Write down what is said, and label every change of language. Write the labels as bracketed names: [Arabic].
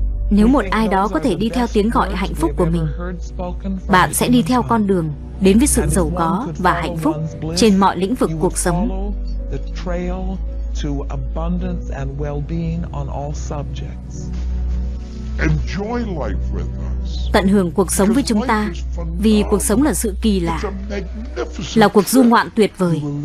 [Vietnamese] Nếu một ai đó có thể đi theo tiếng gọi hạnh phúc của mình, bạn sẽ đi theo con đường đến với sự giàu có và hạnh phúc trên mọi lĩnh vực cuộc sống. [English] To abundance and well-being on all subjects. Enjoy life with us. [Vietnamese] Tận hưởng cuộc sống với chúng ta, vì cuộc sống là sự kỳ lạ, là cuộc du ngoạn tuyệt vời.